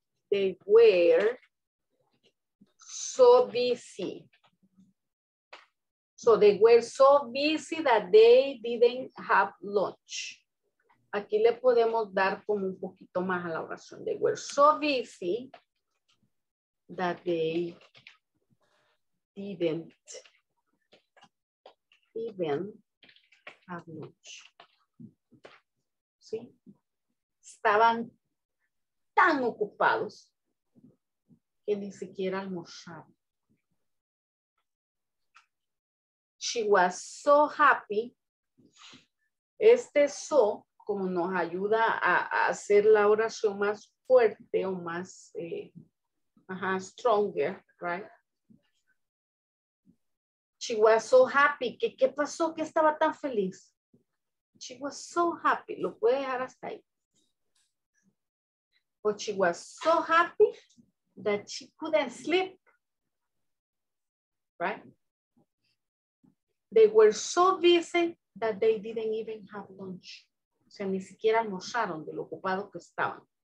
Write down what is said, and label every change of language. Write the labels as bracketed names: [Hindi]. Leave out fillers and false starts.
[English] they were so busy. So they were so busy that they didn't have lunch. [Spanish] Aquí le podemos dar como un poquito más a la oración. [English] They were so busy that they didn't even have lunch. [Spanish] ¿Sí? Estaban tan ocupados que ni siquiera almorzaron. [English] She was so happy. [Spanish] Este so, como nos ayuda a hacer la oración más fuerte o más stronger, right? [English] She was so happy. [Spanish] ¿Qué pasó? ¿Qué estaba tan feliz? [English] She was so happy. [Spanish] Lo puede dejar hasta ahí. [English] But she was so happy that she couldn't sleep. Right? They were so busy that they didn't even have lunch. [Spanish] O sea, ni siquiera almorzaron de lo ocupado que estaban.